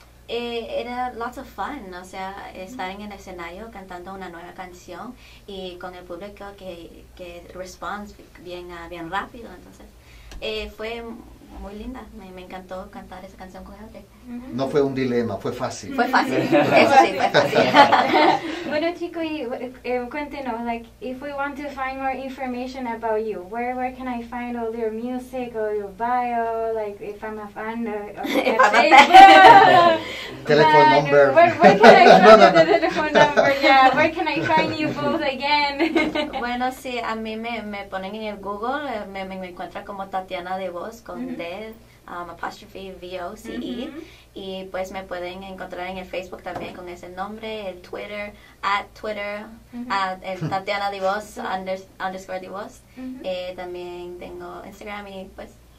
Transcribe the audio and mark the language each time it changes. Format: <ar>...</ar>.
<es>era</es> <en>lots of fun,</en> <es>o sea, estar en el escenario cantando una nueva canción y con el público que responde bien rápido, entonces fue muy linda, me encantó cantar esa canción con André. No fue un dilema, fue fácil. Fue fácil, eso sí, fue fácil. Bueno, chico, cuéntenos,</es> <en>like, if we want to find more information about you, where can I find all your music, all your bio, like, if I'm a fan, or if I'm a fan. Telephone number. Where can I find the telephone number, yeah, where can I find you both again?</en> <es>Bueno, sí, a mí me ponen en el Google, me encuentra como Tatiana de Voz, con D. Apostrophe V-O-C-E, y pues me pueden encontrar en el Facebook también con ese nombre, el Twitter, @Twitter, Tatiana Divos, _ Divos, también tengo Instagram y pues</es>